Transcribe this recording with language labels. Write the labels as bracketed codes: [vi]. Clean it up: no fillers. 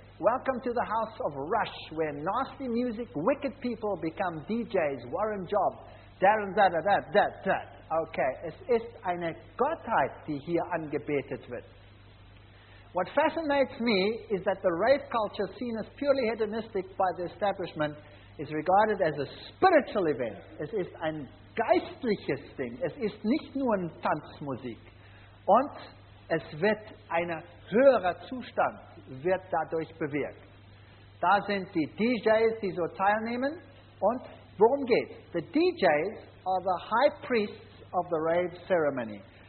[en] Welcome to the house of Rush, where nasty music, wicked people become DJs, Warren Job, Darren, that. [de] Okay, es ist eine Gottheit, die hier angebetet wird. [en] What fascinates me is that the rave culture, seen as purely hedonistic by the establishment, is regarded as a spiritual event. [de] Es ist ein geistliches Ding. Es ist nicht nur ein Tanzmusik. Und es wird ein höherer Zustand wird dadurch bewirkt. Da sind die DJs, die so teilnehmen. Und worum geht's? [en] The DJs are the high priests of the rave ceremony.